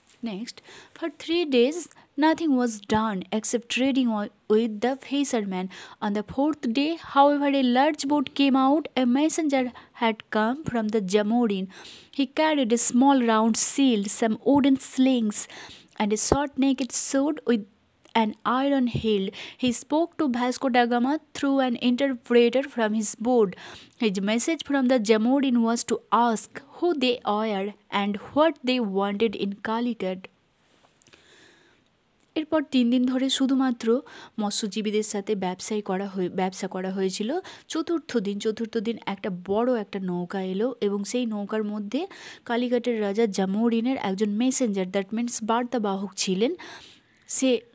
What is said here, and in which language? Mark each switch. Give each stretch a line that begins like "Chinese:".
English: Next for three days nothing was done except trading with the fisherman, on the fourth day however a large boat came out, a messenger had come from the Zamorin, he carried a small round shield, some wooden slings and a short naked sword with an iron heel. He spoke to Vasco da Gama through an interpreter from his boat. His message from the Jamordin was to ask who they are and what they wanted in Calicut.
Bangla: এরপর তিন দিন ধরে শুধুমাত্র মৎস্যজীবীদের সাথে ব্যবসা করা হয়েছিল। চতুর্থ দিন একটা বড় একটা নৌকা এলো এবং সেই নৌকার মধ্যে কালীঘাটের রাজা জামোরিনের একজন মেসেঞ্জার,
English: that means
Bangla: বার্তাবাহক ছিলেন সে।